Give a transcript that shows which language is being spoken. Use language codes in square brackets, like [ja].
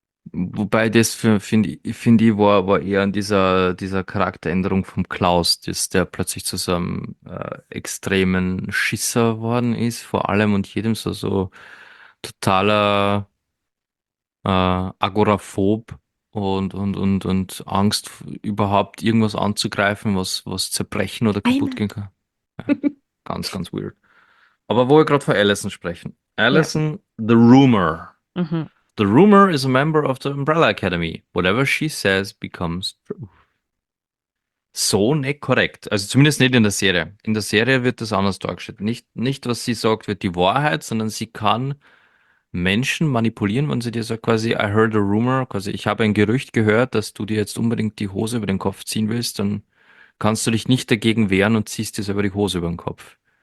[de] Wobei das finde ich war eher an dieser Charakteränderung vom Klaus, dass der plötzlich zu so einem extremen Schisser worden ist, vor allem und jedem so totaler Agoraphob. Und Angst, überhaupt irgendwas anzugreifen, was zerbrechen oder kaputt gehen kann. Ganz, ganz weird. Aber wo wir gerade von Allison sprechen. Ja. Allison, The Rumor. [en] The Rumor is a member of the Umbrella Academy. Whatever she says becomes true. [de] So nicht korrekt. Also zumindest nicht in der Serie. In der Serie wird das anders dargestellt. Nicht, was sie sagt, wird die Wahrheit, sondern sie kann Menschen manipulieren, wenn sie dir sagt, quasi, [en] I heard a rumor, [de] quasi, ich habe ein Gerücht gehört, dass du dir jetzt unbedingt die Hose über den Kopf ziehen willst, dann kannst du dich nicht dagegen wehren und ziehst dir selber die Hose über den Kopf.